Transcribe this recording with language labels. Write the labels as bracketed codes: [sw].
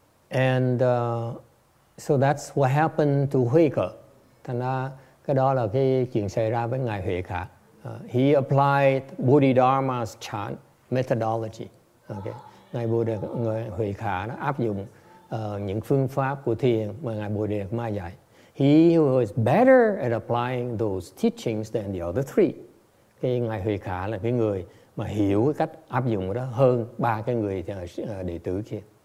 [en] And so that's what happened to Huệ Khở. [vi] Thành ra cái đó là cái chuyện xảy ra với ngài Huệ Khả. [en] He applied Bodhidharma's chan methodology. Okay. [vi] Ngài Bồ Đề, ngài Huệ Khả đã áp dụng những phương pháp của thiền mà ngài Bồ Đề Ma dạy. [en] He was better at applying those teachings than the other three. [vi] Cái ngài Huệ Khả là cái người mà hiểu cái cách áp dụng đó hơn ba cái người đệ tử kia.